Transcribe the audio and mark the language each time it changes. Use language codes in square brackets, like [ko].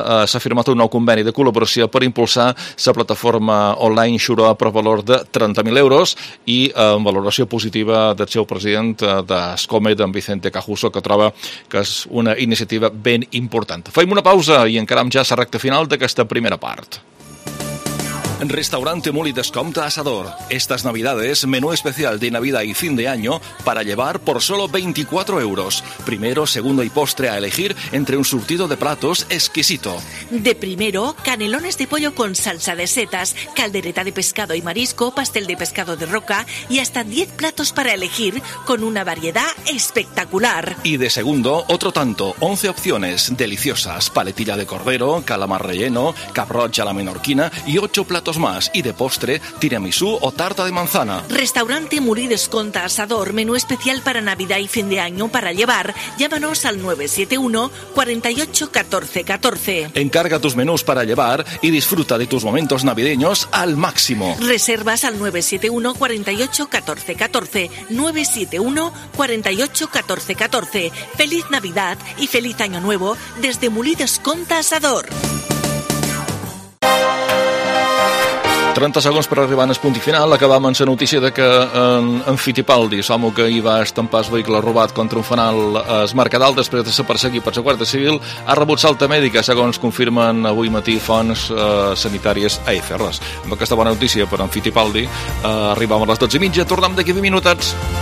[ca] s'ha firmat un nou conveni de col·laboració per impulsar la plataforma online Xuro per valor de 30.000 euros i en valoració positiva del seu president d'Escome, d'en Vicente Cajuso, que troba que és una iniciativa ben important. Fem una pausa i encaram ja la recta final d'aquesta primera part. [es] Restaurante Muli Descompte Asador. Estas navidades, menú especial de Navidad y fin de año para llevar por solo 24 euros. Primero, segundo y postre a elegir entre un surtido de platos exquisito. De primero, canelones de pollo con salsa de setas, caldereta de pescado y marisco, pastel de pescado de roca y hasta 10 platos para elegir con una variedad espectacular. Y de segundo, otro tanto, 11 opciones deliciosas. Paletilla de cordero, calamar relleno, cabrocha a la menorquina y 8 platos más y de postre, tiramisú o tarta de manzana. Restaurante Muli Descompte Asador, menú especial para Navidad y fin de año para llevar. Llámanos al 971 48 14 14. Encarga tus menús para llevar y disfruta de tus momentos navideños al máximo. Reservas al 971 48 14 14. 971 48 14 14. Feliz Navidad y feliz Año Nuevo desde Muli Descompte Asador. [ca] 30 segons per arribar al punt final. Acabam amb la notícia de que en Fittipaldi, l'home que hi va estampar el vehicle robat contra un fanal a Mercadal després de ser perseguit per la Guàrdia Civil, ha rebut salta mèdica, segons confirmen avui matí fonts sanitàries a EFRs. Amb aquesta bona notícia per en Fittipaldi, arribam a les 12:30. Tornem d'aquí 20 minutets.